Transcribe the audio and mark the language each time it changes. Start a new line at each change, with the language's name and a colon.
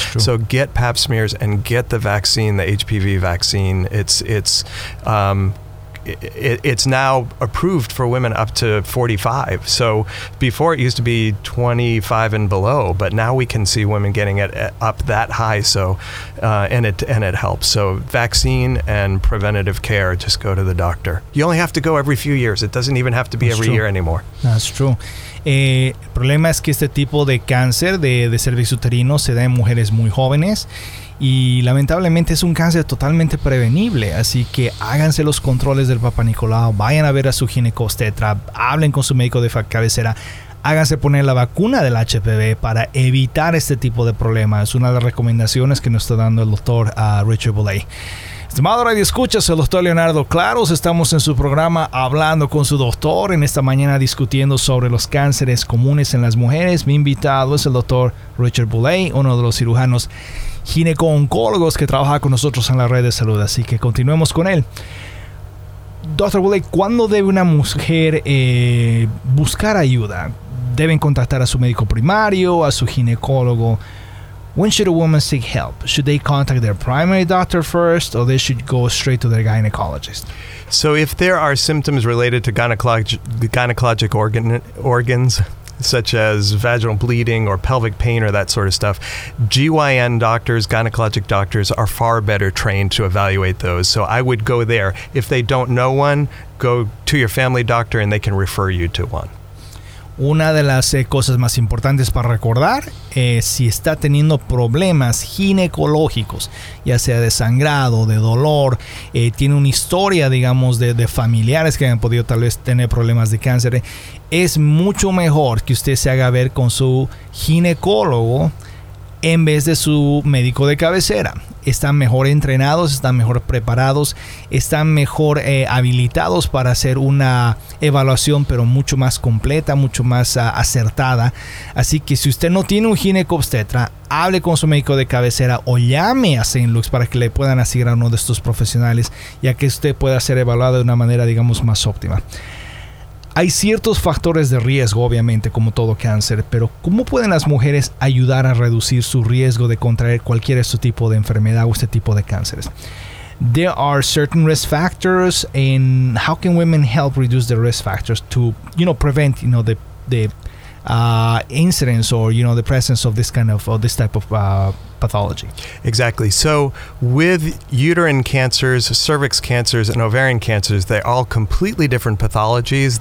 English: So get Pap smears and get the vaccine. The HPV vaccine, it's now approved for women up to 45. So before, it used to be 25 and below, but now we can see women getting it up that high. So and it helps. So vaccine and preventative care, just go to the doctor. You only have to go every few years. It doesn't even have to be year anymore. That's true.
Spanish: El problema es que este tipo de cáncer de cervix uterino se da en mujeres muy jóvenes, y lamentablemente es un cáncer totalmente prevenible. Así que háganse los controles del Papa Nicolau, vayan a ver a su ginecostetra, hablen con su médico de cabecera, háganse poner la vacuna del HPV para evitar este tipo de problemas. Una de las recomendaciones que nos está dando el doctor Richard Boulay. Estimado Radio Escucha, soy el doctor Leonardo Claros. Estamos en su programa Hablando con su Doctor, en esta mañana discutiendo sobre los cánceres comunes en las mujeres. Mi invitado es el doctor Richard Boulay, uno de los cirujanos gineco-oncólogos que trabaja con nosotros en la red de salud. Así que continuemos con él. Dr. Boulay, ¿cuándo debe una mujer buscar ayuda? ¿Deben contactar a su médico primario, a su ginecólogo?
English: When should a woman seek help? Should they contact their primary doctor first, or they should go straight to their gynecologist? So if there are symptoms related to gynecologic organs, such as vaginal bleeding or pelvic pain or that sort of stuff, GYN doctors, gynecologic doctors, are far better trained to evaluate those. So I would go there. If they don't know one, go to your family doctor and they can refer you to one.
Spanish: Una de las cosas más importantes para recordar es si está teniendo problemas ginecológicos, ya sea de sangrado, de dolor, tiene una historia, digamos, de familiares que han podido tal vez tener problemas de cáncer, es mucho mejor que usted se haga ver con su ginecólogo en vez de su médico de cabecera. Están mejor entrenados, están mejor preparados, están mejor habilitados para hacer una evaluación, pero mucho más completa, mucho más acertada. Así que si usted no tiene un ginecobstetra, hable con su médico de cabecera o llame a St. Luke's para que le puedan asignar a uno de estos profesionales, ya que usted pueda ser evaluado de una manera, digamos, más óptima. Hay ciertos factores de riesgo, obviamente, como todo cáncer, pero ¿cómo pueden las mujeres ayudar a reducir su riesgo de contraer cualquier este tipo de enfermedad o este tipo de cánceres?
English: there are certain risk factors, and how can women help reduce the risk factors to, you know, prevent, you know, the incidence or, you know, the presence of this kind of, or this type of pathology. Exactly. So with uterine cancers, cervix cancers, and ovarian cancers, they're all completely different pathologies.